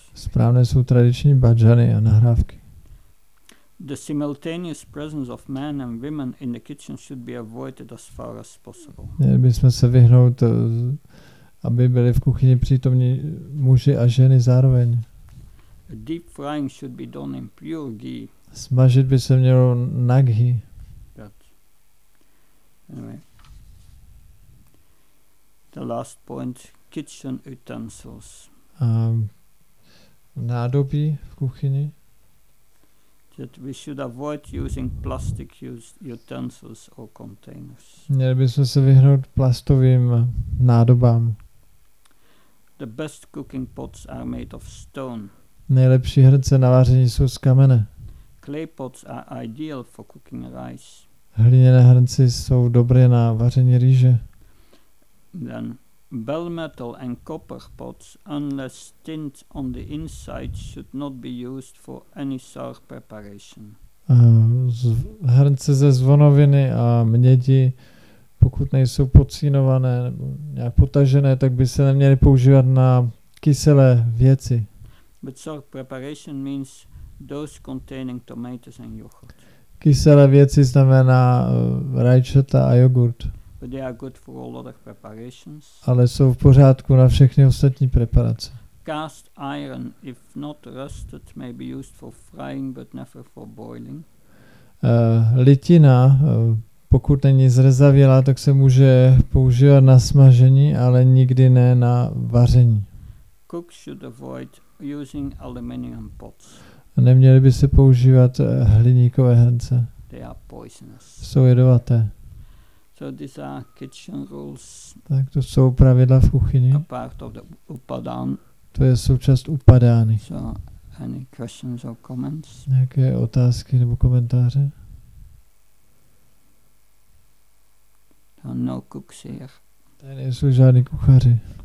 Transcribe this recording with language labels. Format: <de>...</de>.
<cs>Správné jsou tradiční bhajany a nahrávky.</cs> <en>The simultaneous presence of men and women in the kitchen should be avoided as far as possible.</en> <cs>Měli bychom se vyhnout, aby byli v kuchyni přítomní muži a ženy zároveň.</cs> <en>A deep frying should be done in pure ghee.</en> <cs>Smažit by se mělo na ghee.</cs> <en>Anyway. The last point, kitchen utensils.</en> <cs>Nádobí v kuchyni.</cs> <en>That we should avoid using plastic utensils or containers.</en> <cs>Měli bychom se vyhnout plastovým nádobám.</cs> <en>The best cooking pots are made of stone.</en> <cs>Nejlepší hrnce na vaření jsou z kamene.</cs> <en>Clay pots are ideal for cooking rice.</en> <cs>Hliněné hrnce jsou dobré na vaření rýže.</cs> <en>Then Bell metal and copper pots, unless tinned on the inside, should not be used for any sour preparation.</en> <cs>Hrnce ze zvonoviny a mědi, pokud nejsou pocínované nebo nějak potažené, tak by se neměly používat na kyselé věci.</cs> <en>But sour preparation means those containing tomatoes and yogurt.</en> <cs>Kyselé věci znamená rajčata a jogurt.</cs> <en>But they are good for all other preparations.</en> <cs>Ale jsou v pořádku na všechny ostatní preparace.</cs> <en>Cast iron, if not rusted, may be used for frying, but never for boiling.</en> <cs>Litina, pokud není zrezavělá, tak se může používat na smažení, ale nikdy ne na vaření.</cs> <en>Cook should avoid using aluminium pots.</en> <cs>Neměli by se používat hliníkové hrnce.</cs> <en>They are poisonous.</en> <cs>Jsou jedovaté.</cs> <en>So these are kitchen rules.</en> <cs>Tak to jsou pravidla v kuchyni.</cs> <en>A part of the upadán.</en> <cs>To je součást upadány.</cs> <en>So any questions or comments?</en> <cs>Nějaké otázky nebo komentáře?</cs> <en>No cooks here.</en> <cs>Tady nejsou žádný kuchaři.</cs>